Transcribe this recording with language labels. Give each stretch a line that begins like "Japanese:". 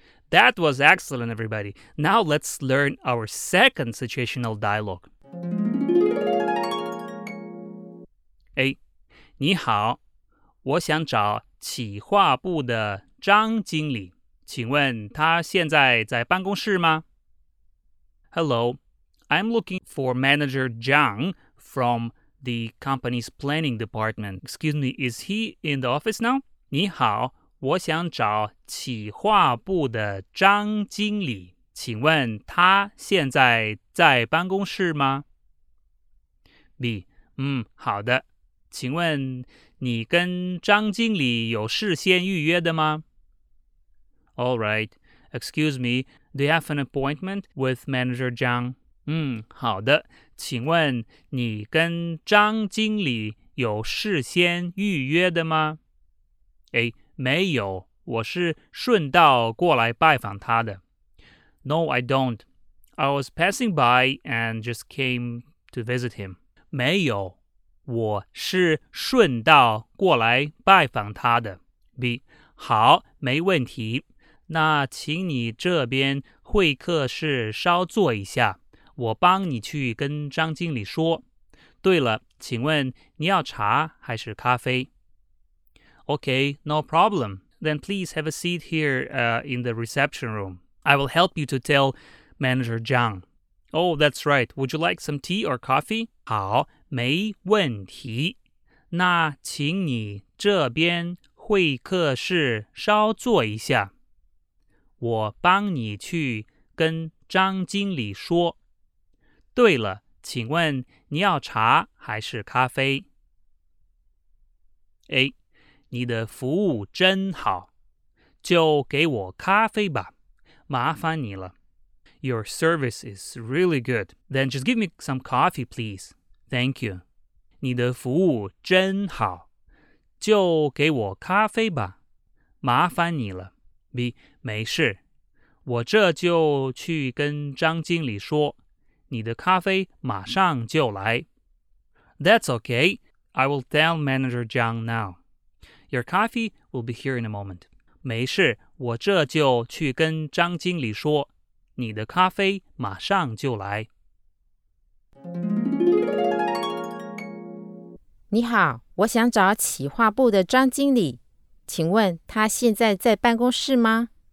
English: That was excellent, everybody. Now let's learn our second situational dialogue. A.
Chinese: 你好，我想找企划部的张经理，请问他现在在办公室吗？
English: Hello, I'm looking for manager Zhang from the company's planning department. Excuse me, is he in the office now?
Chinese: 你好，我想找企划部的张经理，请问他现在在办公室吗？ B. 好的，请问你跟张经理有事先预约的吗？
English: All right. Excuse me. Do you have an appointment with manager Zhang?
Chinese: 好的。请问你跟张经理有事先预约的吗？ A. 没有，我是顺道过来拜访他的。
English: No, I don't. I was passing by and just came to visit him.
Chinese: 没有。我是顺道过来拜访他的。 B. 好，没问题。那请你这边会客室稍坐一下，我帮你去跟张经理说。对了，请问你要茶还是咖啡？
English: OK, no problem. Then please have a seat here, in the reception room. I will help you to tell manager Zhang. Oh, that's right. Would you like some tea or coffee?
Chinese: 好，没问题。那请你这边会客室稍坐一下，我帮你去跟张经理说。对了，请问你要茶还是咖啡？ A. 你的服务真好，就给我咖啡吧，麻烦你了。
English: Your service is really good. Then just give me some coffee, please. Thank you.
Chinese: 你的服务真好，就给我咖啡吧，麻烦你了。 B. 没事，我这就去跟张经理说，你的咖啡马上就来。
English: That's okay. I will tell manager Zhang now. Your coffee will be here in a moment.
Chinese: 没事，我这就去跟张经理说，你的咖啡马上就来。你好，我想找企划部的张经理，请问他现在在办公室吗？